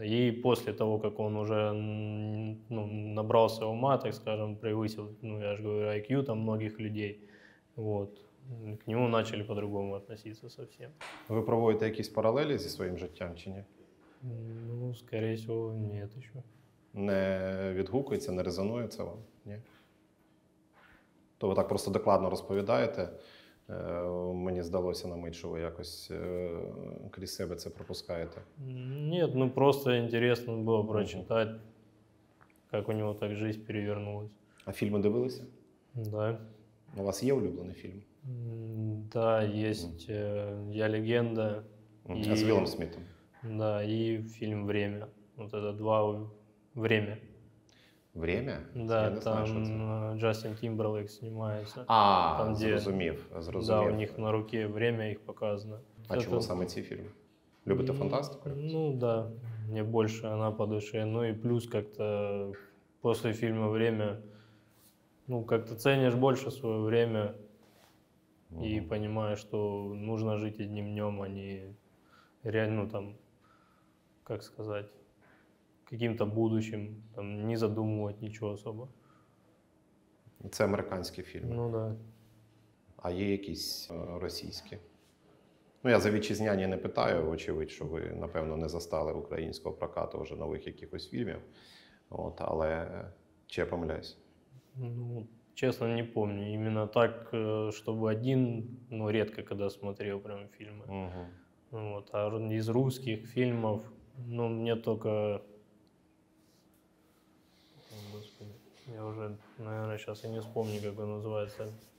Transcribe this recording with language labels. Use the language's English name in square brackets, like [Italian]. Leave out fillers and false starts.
[Russian] И после того, как он уже, ну, набрался ума, так скажем, превысил, ну, я же говорю, IQ там многих людей, вот, к нему начали по-другому относиться совсем. Вы проводите какие-то параллели со своим [Ukrainian] життям, чи ні? [Russian] Ну, скорее всего, нет еще. [Ukrainian] Не відгукується, не резонується вам? Ні? То ви так просто докладно розповідаєте. Мені здалося на мить, що ви якось крізь себе це пропускаєте. Ні, ну просто інтересно було прочитати, як у нього так життя перевернулося. А фільми дивилися? [Russian] Да. [Ukrainian] У вас є улюблений фільм? Да, є «Я легенда». А з Вілом Смітом? Да, і фільм «Время». От це два «Время». [Russian] «Время»? Да, я не там знаю, Джастин Тимберлейк [Ukrainian] знімається. А, там, зрозумів, [Russian] где, [Ukrainian] зрозумів. [Russian] Да, у них на руке «Время» [Ukrainian] їх показано. А це чому там саме ці фільми? Любите фантастику? Ну, да, мені більше вона по душі. Ну і плюс, як-то після фільму «Время», ну, як-то ціниш більше своє «Время» і розумієш, що потрібно жити одним днем, а не реально там, як сказати, [Russian] каким-то будущим, там, не задумывать ничего особо. [Ukrainian] Це американські фільми? [Russian] Ну, да. [Ukrainian] А є якісь російські? Ну, я за вітчизняні не питаю, очевидь, що ви, напевно, не застали українського прокату вже нових якихось фільмів. От, але чи я помиляюсь? Ну, чесно, [Russian] не помню. [Ukrainian] Іменно так, щоб один, ну, рідко, коли [Russian] смотрел прям [Ukrainian] фільми. Угу. [Russian] Вот. [Ukrainian] А із русських фільмів, ну, мені тільки... [Russian] Я уже, наверное, сейчас и не вспомню, как он называется.